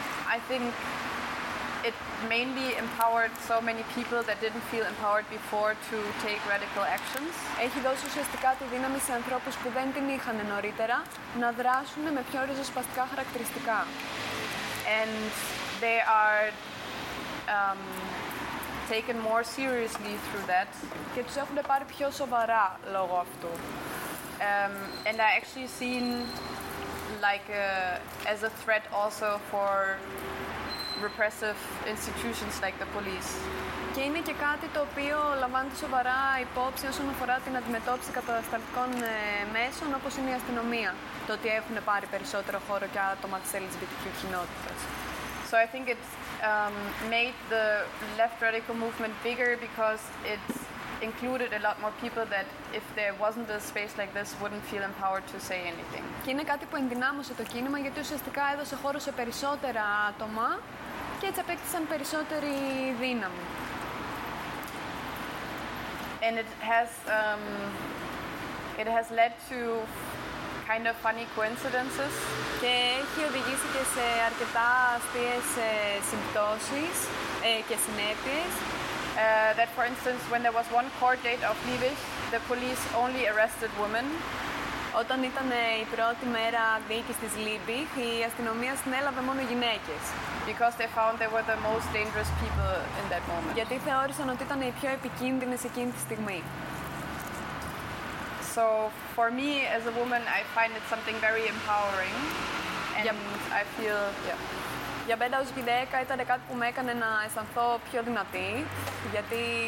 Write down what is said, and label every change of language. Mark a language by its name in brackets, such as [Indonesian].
[English] I think it mainly empowered so many people that didn't feel empowered before to take radical actions. [Greek] Έχει δώσει ουσιαστικά τη δύναμη σε ανθρώπους που δεν την είχαν νωρίτερα να δράσουν με πιο ριζοσπαστικά χαρακτηριστικά. [English] And they are taken more seriously through that. [Greek] Και τους έχουν πάρει πιο σοβαρά λόγω αυτού. [English] And I actually seen like as a threat also for repressive institutions like the police. [Greek] Και είναι και κάτι το οποίο λαμβάνεται σοβαρά υπόψη όσον αφορά την αντιμετώπιση κατασταλτικών μέσων όπως είναι η αστυνομία. Το ότι έχουν πάρει περισσότερο χώρο και άτομα της LGBTQ κοινότητας. [English] So I think it made the left radical movement bigger because it's included a lot more people that if there wasn't a space like this wouldn't feel empowered to say anything. [Greek] Και είναι κάτι που ενδυνάμωσε το κίνημα γιατί ουσιαστικά έδωσε χώρο σε περισσότερα άτομα και έτσι απέκτησαν περισσότερη δύναμη. [English] And it has led to kind of funny coincidences. [Greek] Και έχει οδηγήσει και σε αρκετά αστείες συμπτώσεις και συνέπειες. [English] That, for instance, when there was one court date of Liebig, the police only arrested women. [Greek] Όταν ήταν η πρώτη μέρα δίκης της Liebig, η αστυνομία συνέλαβε μόνο γυναίκες. [English] Because they found they were the most dangerous people in that moment. [Greek] Γιατί θεώρησαν ότι ήταν οι πιο επικίνδυνες εκείνη τη στιγμή. [English] So, for me, as a woman, I find it something very empowering. And yep. I feel... Yeah. [Greek] Για μένα ως γυναίκα ήταν κάτι που με έκανε να αισθανθώ πιο δυνατή, γιατί...